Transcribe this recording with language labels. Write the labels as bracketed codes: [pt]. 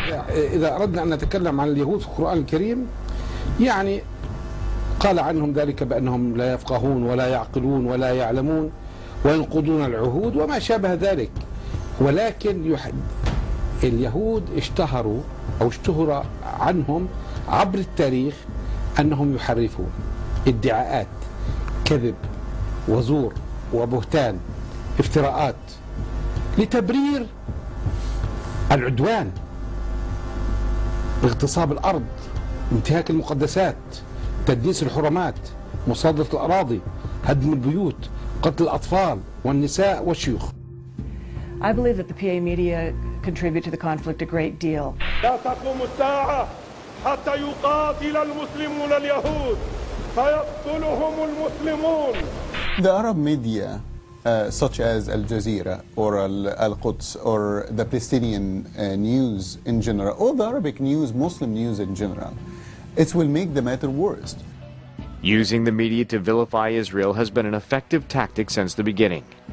[ar] إذا أردنا أن نتكلم عن اليهود في القرآن الكريم يعني قال عنهم ذلك بأنهم لا يفقهون ولا يعقلون ولا يعلمون وينقضون العهود وما شابه ذلك ولكن اليهود اشتهروا أو اشتهر عنهم عبر التاريخ أنهم يحرفون ادعاءات كذب وزور وبهتان افتراءات لتبرير العدوان اغتصاب الأرض انتهاك المقدسات تدنيس الحرمات مصادرة الأراضي هدم البيوت قتل الأطفال والنساء والشيوخ. [en] I believe that the PA media contribute to the conflict a great deal. [ar] لا تقوم الساعة حتى يقاتل المسلمون اليهود فيقتلهم المسلمون. [en] The Arab media such as Al Jazeera or Al Quds or the Palestinian news in general, or the Arabic news, Muslim news in general, it will make the matter worse. Using the media to vilify Israel has been an effective tactic since the beginning.